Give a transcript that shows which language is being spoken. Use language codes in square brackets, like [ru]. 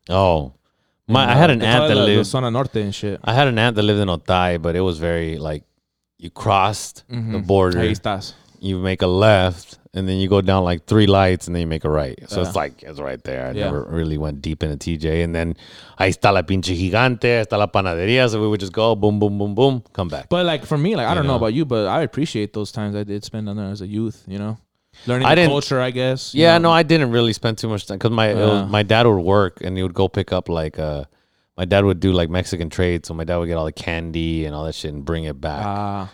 [en] Oh. I had an aunt that lived. The Zona Norte and shit. I had an aunt that lived in Otay, but it was very, like, you crossed the border. [es] Ahí estás. [en] You make a left, and then you go down, like, 3 lights, and then you make a right. So it's, like, it's right there. I never really went deep into TJ. And then, [es] ahí está la pinche gigante, ahí está la panadería. [en] So we would just go, boom, boom, boom, boom, come back. But, like, for me, like, I don't know about you, but I appreciate those times I did spend on there as a youth, you know? Learning the culture, I guess. Yeah, you know? No, I didn't really spend too much time. Because my dad would work, and he would go pick up, like, my dad would do, like, Mexican trade. So my dad would get all the candy and all that shit and bring it back.